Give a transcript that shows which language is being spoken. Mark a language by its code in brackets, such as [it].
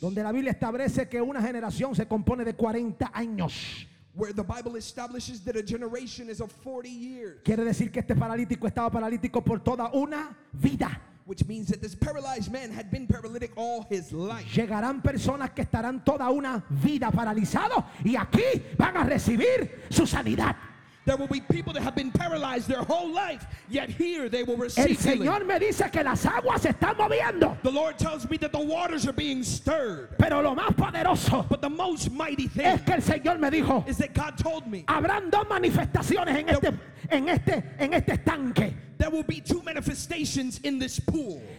[es] Donde la Biblia establece que una generación se compone de 40 años. [en] Where the Bible establishes that a generation is of 40 years. [es] Quiere decir que este paralítico estaba paralítico por toda una vida. [en] Which means that this paralyzed man had been paralytic all his life. [es] Llegarán personas que estarán toda una vida paralizado y aquí van a recibir su sanidad. [en] There will be people that have been paralyzed their whole life, yet here they will receive healing. [es] El Señor me dice que las aguas están moviendo. [en] The Lord tells me that the waters are being stirred. [es] Pero lo más poderoso, [en] but the most mighty thing, [es] es que el Señor me dijo, [en] is that God told me, [es] habrán dos manifestaciones en este estanque. [en] There will be two manifestations in this pool.